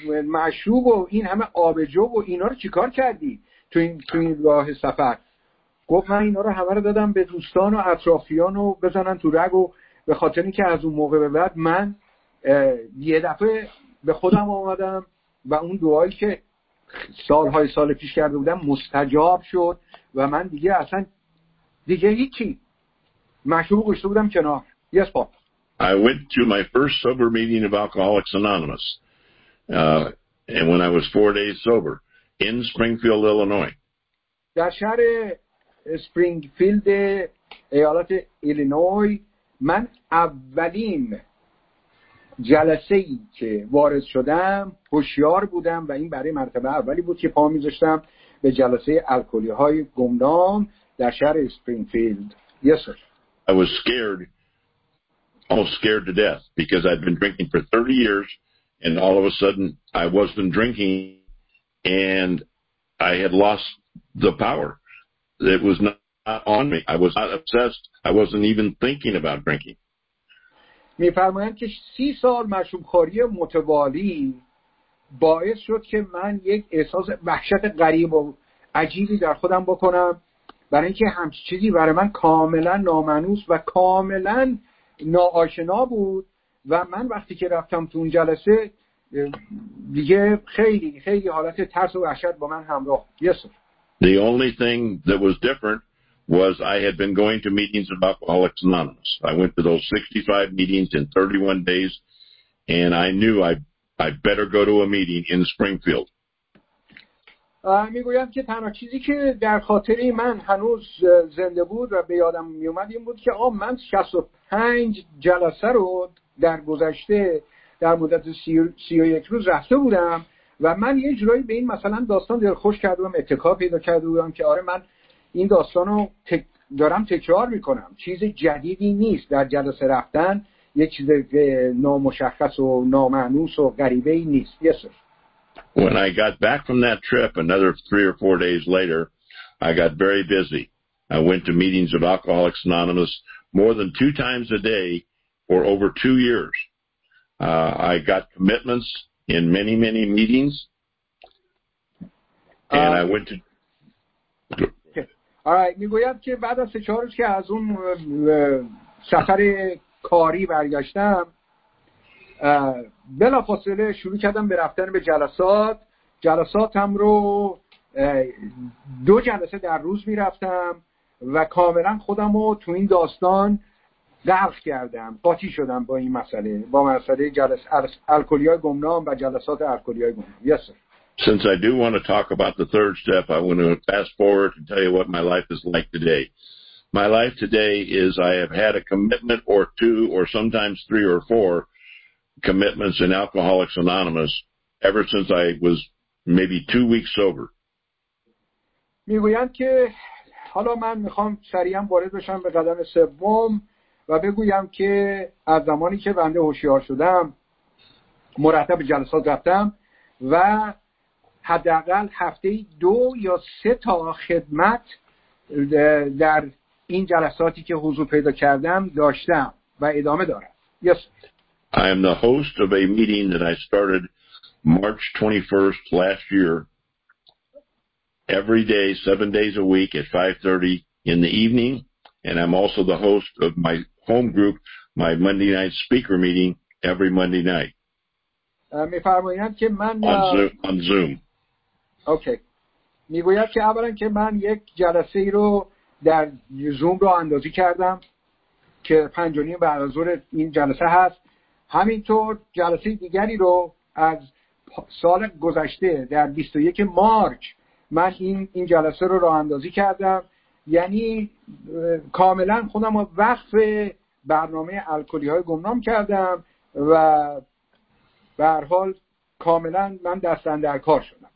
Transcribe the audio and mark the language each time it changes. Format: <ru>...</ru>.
<fa>مشروب و این همه آبجو و اینا رو چیکار کردی تو این راه سفر، گفت من اینا رو همه رو دادم به دوستان و اطرافیان و بزنن تو رگ، و به خاطر اینکه از اون موقع به بعد من یه دفعه به خودم آمدم و اون دعایی که سالهای سال پیش کرده بودم مستجاب شد و من دیگه اصلا دیگه هیچی مشروب گذاشته بودم کنار.</fa> <en>Yes, Paul. I went to my first sober meeting of Alcoholics Anonymous and when I was 4 days sober in Springfield, Illinois.</en> <fa>در شهر اسپرینگفیلد ایالت ایلینوی من اولین جلسه ای که وارد شدم هوشیار بودم و این برای مرتبه اولی بود که پا میذاشتم به جلسه الکلی های گمنام در شهر اسپرینگفیلد.</fa> <en>Yes sir. I was scared, almost scared to death, because I'd been drinking for 30 years and all of a sudden I wasn't drinking and I had lost the power. It was not on me. I was not obsessed. I wasn't even thinking about drinking.</en> <fa>می فرمایند که 30 سال مشروبخوری متوالی باعث شد که من یک احساس وحشت غریب و عجیبی در خودم بکنم، برای اینکه همچین چیزی برای من کاملا نامانوس و کاملا ناآشنا بود و من وقتی که رفتم تو اون جلسه دیگه خیلی خیلی حالت ترس و وحشت با من همراه.</fa> <en>Yes sir. The only thing that was different was I had been going to meetings of Alcoholics Anonymous. I went to those 65 meetings in 31 days, and I knew I better go to a meeting in Springfield.</en> <fa>میگویم که تنها چیزی که در خاطر من هنوز زنده بود و به یادم میومد این بود که من 65 جلسه رو در گذشته در مدت 31 روز رفته بودم و من یه جورایی به این مثلا داستان دلخوش کرده بودم، اتکا پیدا کرده بودم که آره من این داستان رو دارم تکرار میکنم، چیز جدیدی نیست در جلسه رفتن، یه چیز نامشخص و نامعنوس و غریبه‌ای نیست.</fa> <en>Yes sir. When I got back from that trip another 3 or 4 days later, I got very busy. I went to meetings of Alcoholics Anonymous more than 2 times a day for over 2 years. I got commitments in many, many meetings. And I went to All right,</en> <fa>میگویم که بعد از 3-4 روز که از اون سفر کاری برگشتم بلافاصله شروع کردم به رفتن به جلسات. جلساتم رو 2 جلسه در روز میرفتم و کاملا خودم رو تو این داستان غرق کردم، قاطی شدم با این مسئله، با مسئله جلسه الکلی‌های گمنام و جلسات الکلی‌های گمنام.</fa> <en>Yes sir. Since I do want to talk about the third step, I want to fast forward and tell you what my life is like today. My life today is I have had a commitment or 2 or sometimes 3 or 4 commitments in Alcoholics Anonymous ever since I was maybe 2 weeks sober.</en> <fa>میگویند که حالا من میخوام سریعا وارد بشم به قدم سوم و بگویم که از زمانی که بنده هوشیار شدم مرتب جلسات رفتم و حداقل هفته 2 یا 3 تا خدمت در این جلساتی که حضور پیدا کردم داشتم و ادامه دارم.</fa> <en>Yes. I am the host of a meeting that I started March 21st last year. Every day, 7 days a week at 5:30 in the evening, and I'm also the host of my home group, my Monday night speaker meeting every Monday night.</en> <fa>می‌فرمایید که من</fa> <en>on Zoom.</en> <fa>اوکی. میگوید که اولا که من یک جلسه ای رو در زوم رو اندازی کردم که 5:30 بعد از ظهر این جلسه هست. همینطور جلسه دیگری رو از سال گذشته در 21 مارچ من این جلسه رو راه اندازی کردم، یعنی کاملا خودم رو وقف برنامه الکلی های گمنام کردم و به هر حال کاملا من دست اندر کار شدم.</fa>